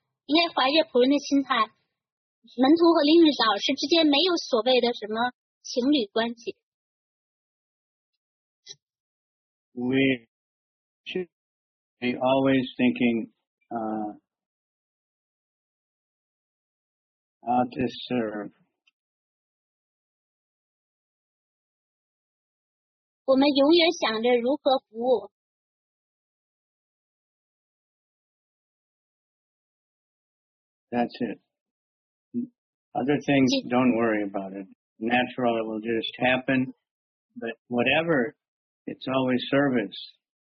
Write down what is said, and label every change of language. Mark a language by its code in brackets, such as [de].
[zh] 应该怀着仆人的心态，门徒和灵云老师之间没有所谓的什么情侣关系。 [en] We should be always thinking how to serve. [zh] 我们永远想着如何服务。 [en] That's it. Other things, don't worry about it. Natural, it will just happen. But whatever, it's always service.